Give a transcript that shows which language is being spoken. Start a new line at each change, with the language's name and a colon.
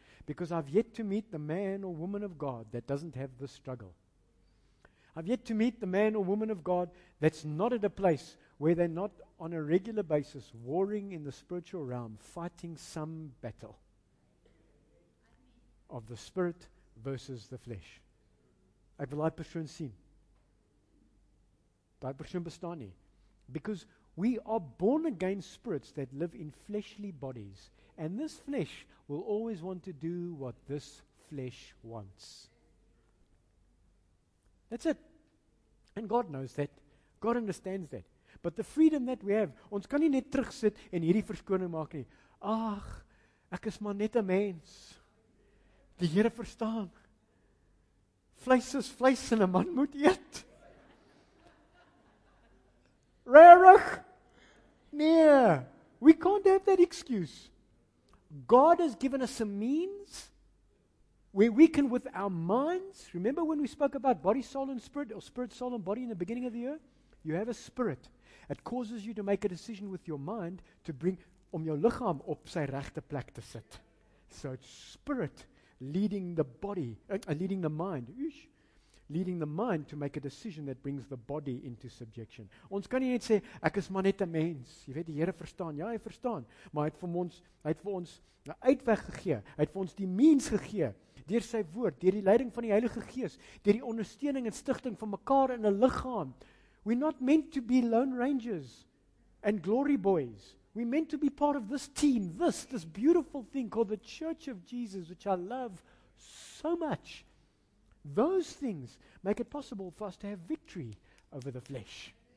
English: Because I've yet to meet the man or woman of God that doesn't have this struggle. I've yet to meet the man or woman of God that's not at a place where they're not on a regular basis warring in the spiritual realm, fighting some battle of the spirit versus the flesh.
Afrikaans: Ek wil daai persoon sien. Daai persoon bestaan nie.
English: Because we are born again spirits that live in fleshly bodies. And this flesh will always want to do what this flesh wants. That's it. And God knows that. God understands that. But the freedom that we have,
Afrikaans: ons kan nie net terugsit en hierdie verskoning maak nie. Ach, ek is maar net 'n mens. Die Here verstaan. Vleis is vleis en 'n man moet eet.
English: Rarig. Nee, we can't have that excuse. God has given us a means where we can with our minds, remember when we spoke about body, soul, and spirit, or spirit, soul, and body in the beginning of the year? You have a spirit. It causes you to make a decision with your mind to bring
Afrikaans: om jou lichaam op sy regte plek te sit.
English: So it's spirit leading the body, leading the mind. Leading the mind to make a decision that brings the body into subjection.
Afrikaans: Ons kan nie net sê, ek is maar net 'n mens. Jy weet, die Here verstaan. Ja, hy verstaan. Maar hy het vir ons 'n uitweg gegee. Hy het vir ons die means gegee. Deur sy woord, deur die leiding van die Heilige Gees, deur die ondersteuning en stigting van mekaar in 'n liggaam.
English: We're not meant to be lone rangers and glory boys. We're meant to be part of this team. This beautiful thing called the Church of Jesus, which I love so much. Those things make it possible for us to have victory over the flesh.